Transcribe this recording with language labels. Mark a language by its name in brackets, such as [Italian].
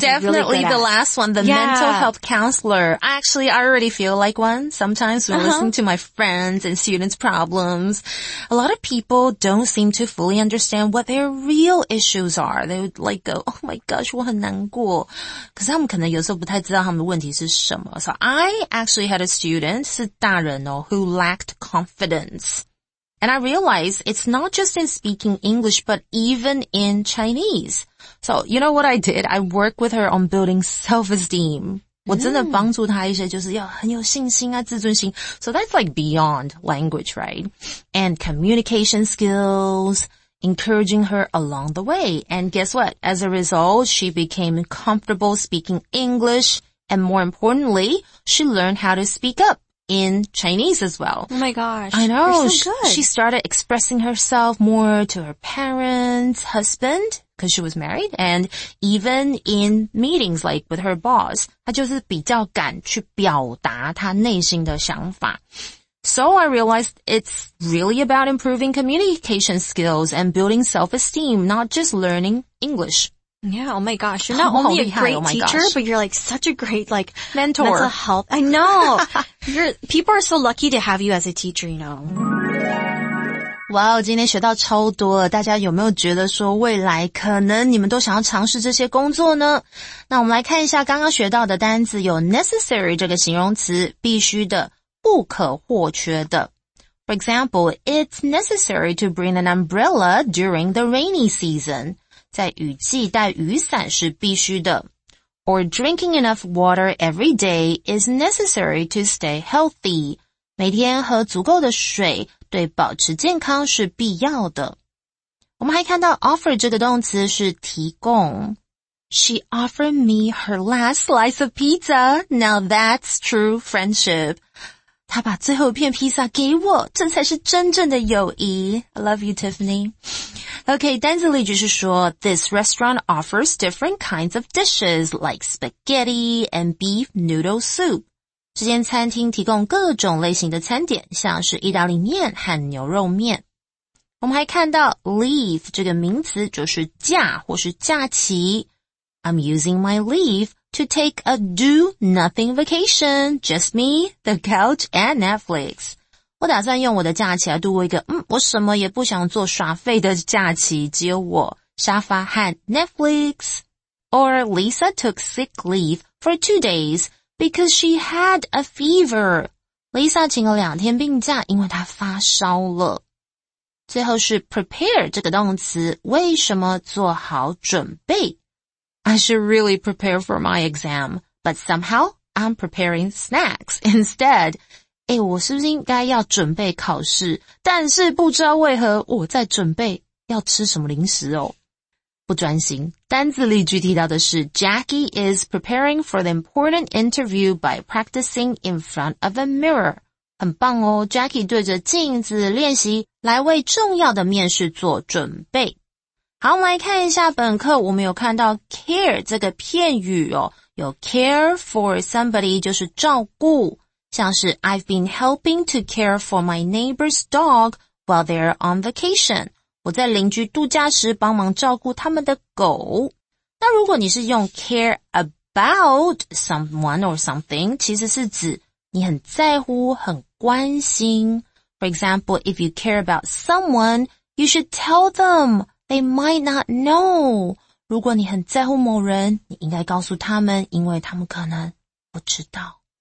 [English] definitely be really good at. The last one, the mental health counselor. Actually, I already feel like one. Sometimes when listening to my friends and students' problems, a lot of people don't seem to fully understand what their real issues are. They would like go, oh my gosh, [Chinese] 我很难过. 可是他们可能有时候不太知道他们的问题是什么. [English] So I actually had a student, [Chinese] 是大人哦, [English] who lacked confidence. And I realized it's not just in speaking English, but even in Chinese. So you know what I did? I worked with her on building self-esteem. [Chinese] 我真的帮助她一些就是要很有信心啊，自尊心。 [English] So that's like beyond language, right? And communication skills, encouraging her along the way. And guess what? As a result, she became comfortable speaking English. And more importantly, she learned how to speak up in Chinese as well. Oh my gosh. I know. You're so good. She started expressing herself more to her parents, husband, because she was married, and even in meetings like with her boss. [Chinese] 她就是比较敢去表达她内心的想法。 [English] So I realized it's really about improving communication skills and building self-esteem, not just learning English. Yeah, oh my gosh. You're not only a great teacher, but you're like such a great, like, mentor. Mental health. I know. people are so lucky to have you as a teacher, you know. [Chinese] Wow, 今天学到超多了。大家有没有觉得说未来可能你们都想要尝试这些工作呢？那我们来看一下刚刚学到的单字，有 necessary 这个形容词，必须的，不可或缺的。 [English] For example, it's necessary to bring an umbrella during the rainy season. [Chinese] 在雨季带雨伞是必须的。 [English] Or drinking enough water every day is necessary to stay healthy. [Chinese] 每天喝足够的水对保持健康是必要的。我们还看到 offer 这个动词是提供。 [English] She offered me her last slice of pizza. Now that's true friendship. [Chinese] 她把最后一片披萨给我，这才是真正的友谊。 [English] I love you, Tiffany. [Chinese] Okay, 单字例句是说 [English] This restaurant offers different kinds of dishes like spaghetti and beef noodle soup. [Chinese] 这间餐厅提供各种类型的餐点，像是意大利面和牛肉面。我们还看到 leave 这个名词就是假或是假期。 [English] I'm using my leave to take a do-nothing vacation, just me, the couch, and Netflix. [Chinese] 我打算用我的假期来度过一个我什么也不想做耍废的假期，只有我沙发和 Netflix. [English] Or Lisa took sick leave for 2 days because she had a fever. [Chinese] Lisa 请了两天病假，因为她发烧了。最后是 prepare 这个动词，为什么做好准备？ [English] I should really prepare for my exam, but somehow I'm preparing snacks instead. [Chinese] 诶，我是不是应该要准备考试？但是不知道为何我在准备要吃什么零食哦，不专心。单字例句提到的是 [English] Jackie is preparing for the important interview by practicing in front of a mirror. [Chinese] 很棒哦， Jackie 对着镜子练习来为重要的面试做准备。好，我们来看一下本课，我们有看到 care 这个片语哦，有 care for somebody 就是照顾，像是 [English] I've been helping to care for my neighbor's dog while they're on vacation. [Chinese] 我在邻居度假时帮忙照顾他们的狗。那如果你是用 [English] care about someone or something, [Chinese] 其实是指你很在乎、很关心。 [English] For example, if you care about someone, you should tell them. They might not know. [Chinese] 如果你很在乎某人，你应该告诉他们，因为他们可能不知道。